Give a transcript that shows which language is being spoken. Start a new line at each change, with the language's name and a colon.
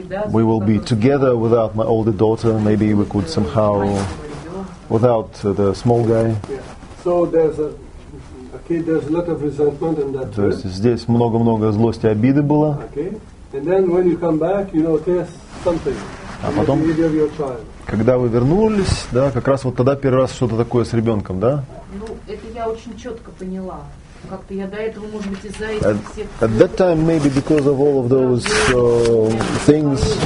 English: We will be together without my older daughter. Maybe we could somehow, without the small guy. So there's a lot of resentment in that.
Russian: То есть здесь много злости, обиды было.
English: Okay. And then when you come back, you notice something.
Russian: А потом, когда вы вернулись, да, как раз вот тогда первый раз что-то такое с ребенком, да? Ну, это я очень четко поняла. Как-то я до этого, может быть, из-за этих всех...
English: At that time, maybe because of all of those things...